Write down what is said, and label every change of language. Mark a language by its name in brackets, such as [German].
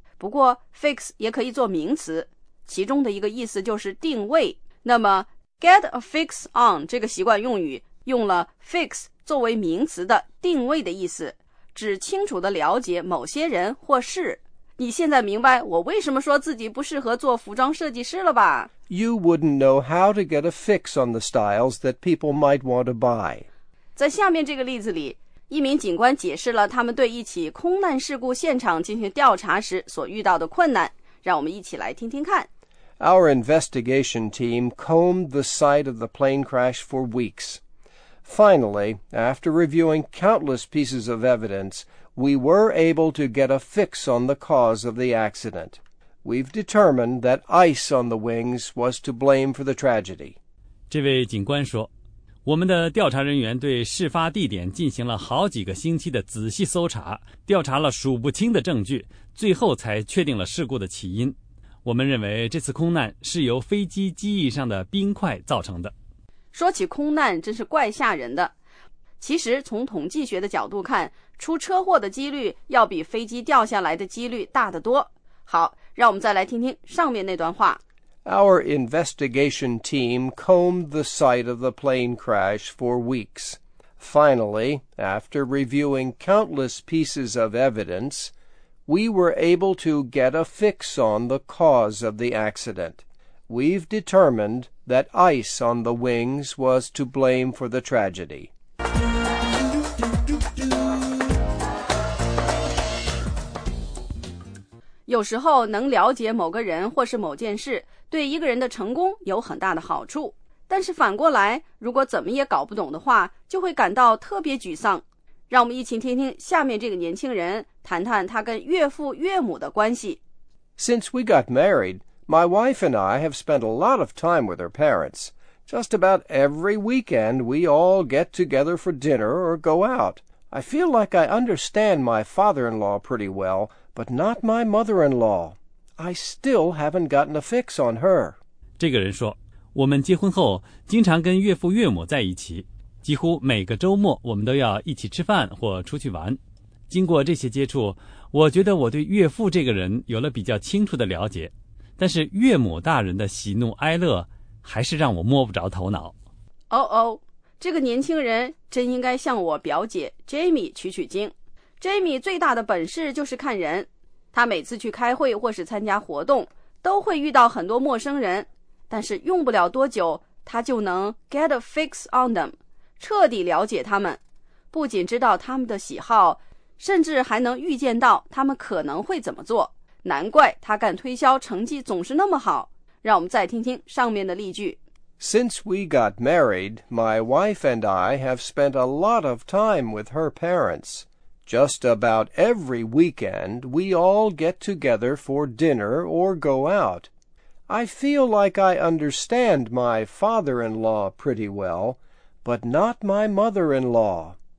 [Chinese] 不过 fix 也可以做名词，其中的一个意思就是定位。那么 [English] get a fix on [Chinese] 这个习惯用语用了 fix 作为名词的定位的意思，指清楚地了解某些人或事。你现在明白我为什么说自己不适合做服装设计师了吧？ [English] You wouldn't know how to get a fix on the styles that people might want to buy. [Chinese] 在下面这个例子里，一名警官解释了他们对一起空难事故现场进行调查时所遇到的困难，让我们一起来听听看。 [English] Our investigation team combed the site of the plane crash for weeks. Finally, after reviewing countless pieces of evidence, we were able to get a fix on the cause of the accident. We've determined that ice on the wings was to blame for the tragedy. [Chinese] 这位警官说，我们的调查人员对事发地点进行了好几个星期的仔细搜查，调查了数不清的证据，最后才确定了事故的起因。我们认为这次空难是由飞机机翼上的冰块造成的。说起空难真是怪吓人的。其实从统计学的角度看，出车祸的几率要比飞机掉下来的几率大得多。好，让我们再来听听上面那段话。 [English] Our investigation team combed the site of the plane crash for weeks. Finally, after reviewing countless pieces of evidence, we were able to get a fix on the cause of the accident. We've determined that ice on the wings was to blame for the tragedy. [Chinese] 有时候能了解某个人或是某件事，对一个人的成功有很大的好处，但是反过来，如果怎么也搞不懂的话，就会感到特别沮丧。让我们一起听听下面这个年轻人谈谈他跟岳父岳母的关系。 [English] Since we got married, my wife and I have spent a lot of time with our parents. Just about every weekend, we all get together for dinner or go out. I feel like I understand my father-in-law pretty well, but not my mother-in-law. I still haven't gotten a fix on her. [Chinese] 这个人说，我们结婚后经常跟岳父岳母在一起，几乎每个周末我们都要一起吃饭或出去玩。经过这些接触，我觉得我对岳父这个人有了比较清楚的了解，但是岳母大人的喜怒哀乐还是让我摸不着头脑。哦哦，这个年轻人真应该向我表姐 Jamie 取取经。 Jamie 最大的本事就是看人，他每次去开会或是参加活动，都会遇到很多陌生人，但是用不了多久，他就能 [English] get a fix on them， [Chinese] 彻底了解他们，不仅知道他们的喜好，甚至还能预见到他们可能会怎么做。难怪他干推销成绩总是那么好。让我们再听听上面的例句。 [English] Since we got married, my wife and I have spent a lot of time with her parents. Just about every weekend, we all get together for dinner or go out. I feel like I understand my father-in-law pretty well, but not my mother-in-law.